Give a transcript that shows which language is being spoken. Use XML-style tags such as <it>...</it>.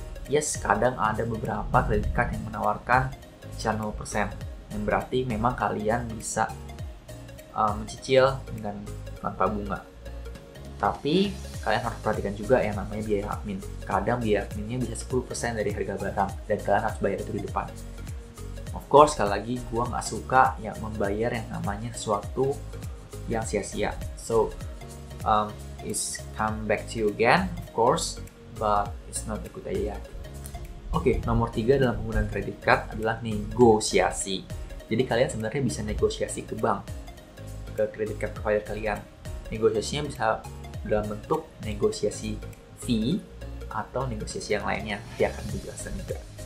<id>Yes, kadang ada beberapa credit card yang menawarkan cicilan 0%, yang berarti memang kalian bisa mencicil dengan tanpa bunga. Tapi kalian harus perhatikan juga yang namanya biaya admin. Kadang biaya adminnya bisa 10% dari harga barang dan kalian harus bayar itu di depan.</id> <en>Of course,</en> <id>sekali lagi gua nggak suka yang membayar yang namanya sesuatu yang sia-sia.</id> <en>So, it's come back to you again, of course, but it's not a good idea.</en> <id>Oke, nomor 3 dalam penggunaan credit card adalah negosiasi. Jadi kalian sebenarnya bisa negosiasi ke bank, ke credit card provider kalian. Negosiasinya bisa dalam bentuk negosiasi fee atau negosiasi yang lainnya, dia akan dijelaskan juga.</id>